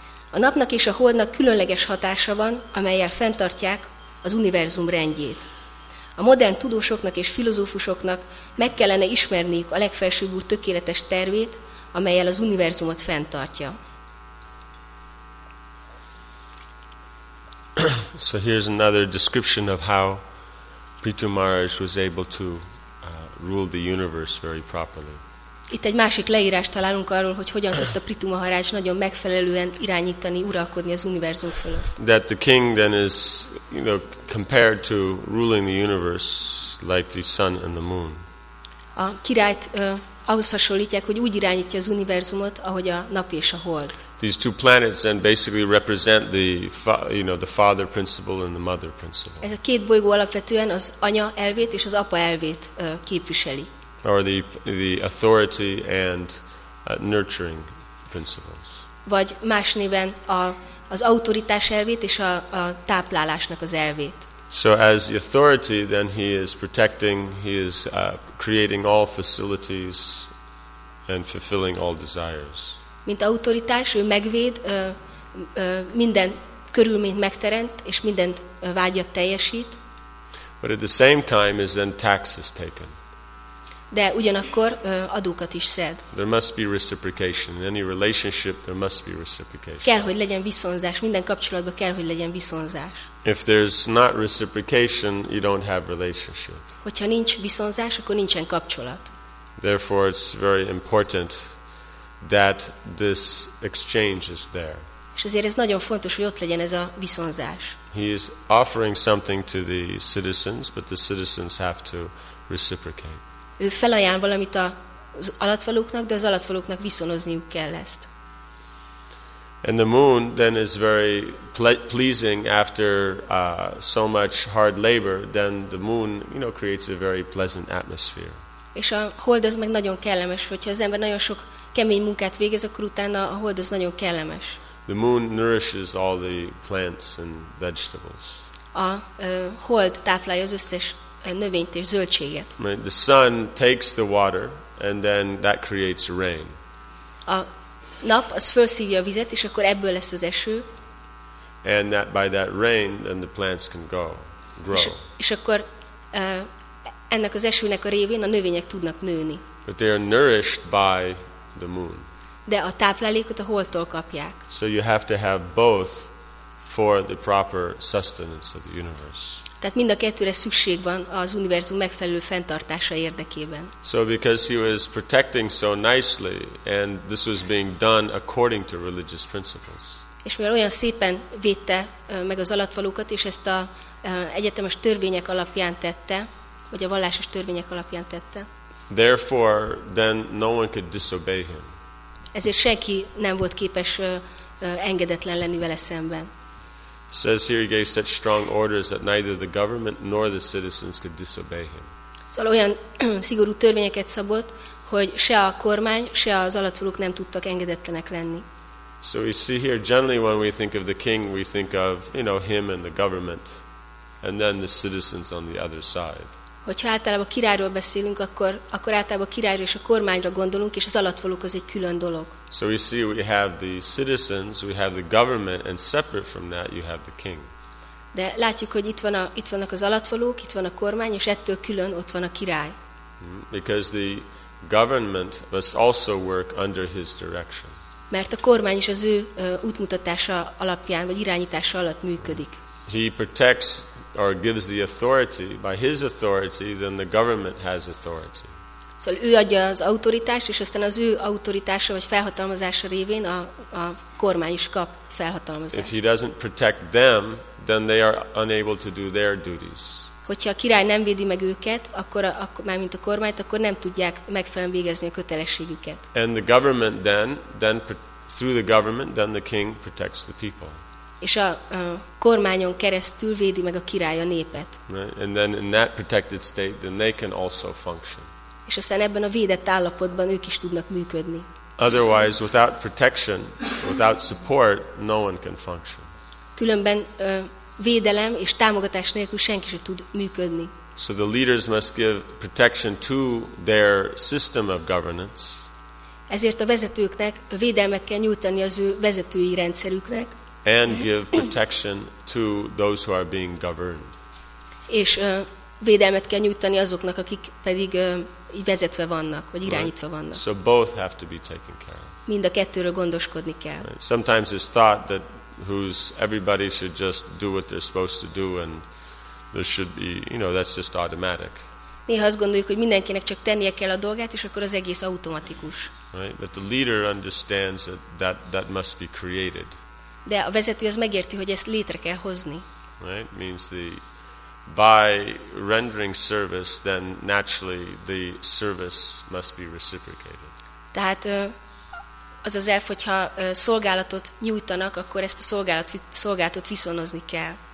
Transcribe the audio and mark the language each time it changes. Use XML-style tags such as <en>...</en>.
<hu>A napnak és a holdnak különleges hatása van, amellyel fenntartják az univerzum rendjét. A modern tudósoknak és filozófusoknak meg kellene ismerniük a legfelsőbb úr tökéletes tervét, amellyel az univerzumot fenntartja.</hu> <en>So here's another description of how Prithu Maharaj was able to rule the universe very properly.</en> <hu>Itt egy másik leírást találunk arról, hogy hogyan tudta Prithu Maharaj nagyon megfelelően irányítani, uralkodni az univerzum fölött.</hu> <en>That the king then is, you know, compared to ruling the universe like the sun and the moon.</en> <hu>A királyt ahhoz hasonlítják, hogy úgy irányítja az univerzumot, ahogy a nap és a hold.</hu> <en>These two planets then basically represent the, you know, the father principle and the mother principle.</en> <hu>Ez a két bolygó alapvetően az anya elvét és az apa elvét képviseli.</hu> <en>Or the authority and nurturing principles.</en> <hu>Vagy más néven az autoritás elvét és a táplálásnak az elvét.</hu> <en>So as the authority, then he is protecting, he is creating all facilities and fulfilling all desires.</en> <hu>Mint autoritás, ő megvéd, minden körülményt megteremt és mindent vágyat teljesít.</hu> <en>But at the same time is then taxes taken.</en> <hu>De ugyanakkor adókat is szed.</hu> <en>There must be reciprocation. In any relationship there must be reciprocation.</en> <hu>Kell, hogy legyen viszonzás. Minden kapcsolatban kell, hogy legyen viszonzás.</hu> <en>If there's not reciprocation, you don't have relationship.</en> <hu>Hogyha nincs viszonzás, akkor nincsen kapcsolat.</hu> <en>Therefore it's very important that this exchange is there.</en> <hu>És ezért ez nagyon fontos, hogy ott legyen ez a viszonzás.</hu> <en>He is offering something to the citizens, but the citizens have to reciprocate.</en> <hu>Ő felajánl valamit az alattvalóknak, de az alattvalóknak viszonozniuk kell ezt.</hu> <en>And the moon then is very pleasing after so much hard labor, then the moon, you know, creates a very pleasant atmosphere.</en> <hu>És a hold az meg nagyon kellemes, hogyha az ember nagyon sok kemény munkát végez, akkor utána a hold az nagyon kellemes.</hu> <en>The moon nourishes all the plants and vegetables.</en> <hu>A hold táplálja az összes növényt és zöldséget.</hu> <en>The sun takes the water and then that creates rain.</en> <hu>A nap az felszívja a vizet és akkor ebből lesz az eső.</hu> <en>And that by that rain then the plants can grow.</en> <hu>És akkor ennek az esőnek a révén a növények tudnak nőni.</hu> <en>But they are nourished by the moon.</en> <hu>De a táplálékot a holdtól kapják.</hu> <en>So you have to have both for the proper sustenance of the universe.</en> <hu>Tehát mind a kettőre szükség van az univerzum megfelelő fenntartása érdekében.</hu> <en>So because he was protecting so nicely and this was being done according to religious principles.</en> <hu>És mivel olyan szépen védte meg az alattvalókat és ezt a egyetemes törvények alapján tette, vagy a vallásos törvények alapján tette.</hu> <en>Therefore then no one could disobey him.</en> <hu>Ezért senki nem volt képes engedetlen lenni vele szemben.</hu> <en>Says here he gave such strong orders that neither the government nor the citizens could disobey him.</en> <hu>Szóval olyan szigorú törvényeket szabott, hogy se a kormány, se az alattvalók nem tudtak engedetlenek lenni.</hu> <en>So we see here generally when we think of the king, we think of, you know, him and the government, and then the citizens on the other side.</en> <hu>Hogyha általában a királyról beszélünk, akkor általában a királyról és a kormányra gondolunk, és az alattvalók az egy külön dolog.</hu> <en>So we see we have the citizens, we have the government, and separate from that you have the king.</en> <hu>De látjuk, hogy itt vannak az alattvalók, itt van a kormány, és ettől külön ott van a király.</hu> <en>Because the government must also work under his direction.</en> <hu>Mert a kormány is az ő útmutatása alapján, vagy irányítása alatt működik.</hu> <en>He protects or gives the authority, by his authority, then the government has authority.</en> <hu>Szóval ő adja az autoritást, és aztán az ő autoritása vagy felhatalmazása révén a kormány is kap felhatalmazást.</hu> <en>If he doesn't protect them, then they are unable to do their duties.</en> <hu>Hogyha a király nem védi meg őket, akkor mármint a kormányt, akkor nem tudják megfelelően végezni a kötelességüket.</hu> <en>And the government then through the government, then the king protects the people.</en> <hu>És a kormányon keresztül védi meg a király a népet.</hu> <en>Right. And then in that protected state, then they can also function.</en> <hu>És aztán ebben a védett állapotban ők is tudnak működni.</hu> <en>Otherwise, without protection, without support, no one can function.</en> <hu>Különben védelem és támogatás nélkül senki sem tud működni.</hu> <en>So the leaders must give protection to their system of governance.</en> <hu>Ezért a vezetőknek védelmet kell nyújtani az ő vezetői rendszerüknek.</hu> <en>And give protection to those who are being governed.</en> <hu>És védelmet kell nyújtani azoknak, akik pedig vezetve vannak, vagy irányítva vannak.</hu> <en>So both have to be taken care of.</en> <hu>Mind a kettőről gondoskodni kell.</hu> <en>Right. Sometimes it's thought that who's everybody should just do what they're supposed to do and there should be, you know, that's just automatic.</en> <hu>Néha azt gondoljuk, hogy mindenkinek csak tennie kell a dolgát, és akkor az egész automatikus.</hu> <en>Right, but the leader understands that that must be created.</en> <hu>De a vezető az megérti, hogy ezt létre kell hozni.</hu> <en>Right, means the by rendering service, then naturally the service must be reciprocated.</en> <hu>Tehát az az elf, hogyha szolgálatot nyújtanak, akkor ezt a szolgálatot viszonozni kell.</hu>